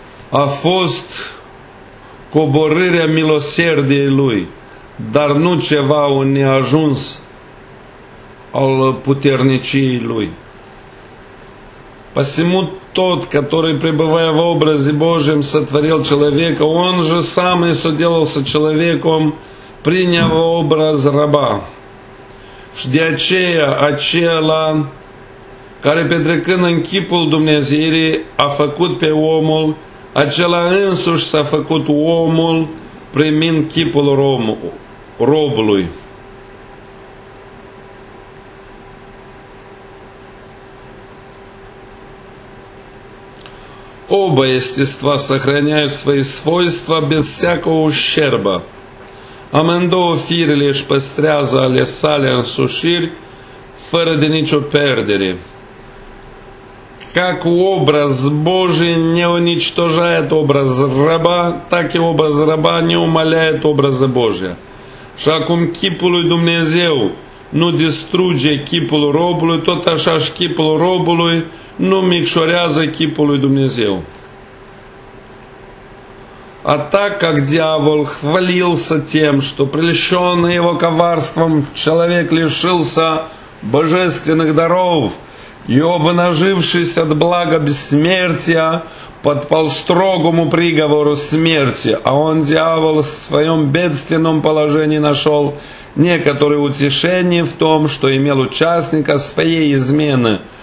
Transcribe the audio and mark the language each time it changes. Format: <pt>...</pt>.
<ro>A fost coborârea milosierdiei lui, dar nu ceva un neajuns al puterniciei lui.</ro> <ru>Посему тот, который, пребывая в образе Божьем, сотворил человека, он же сам и соделался человеком, приняв образ раба.</ru> <ro>De aceea, acela care petrecând în chipul Dumnezeirii a făcut pe omul, acela însuși s-a făcut omul primind chipul robului.</ro> <ru>Оба естества сохраняют свои свойства без всякого ущерба.</ru> <ro>Amândouă firele își păstrează ale sale însușiri fără de nicio perdere.</ro> <ru>Как образ Божий не уничтожает образ раба, так и образ раба не умаляет образа Божия.</ru> <ro>Și acum chipul lui Dumnezeu nu distruge chipul robului, tot așa și chipul robului nu micșorează chipul lui Dumnezeu.</ro> <ru>А так как дьявол хвалился тем, что прельщенный его коварством человек лишился божественных даров, и обнажившись от блага бессмертия, подпал строгому приговору смерти, а он, дьявол, в своем бедственном положении нашел некоторое утешение в том, что имел участника своей измены,</ru>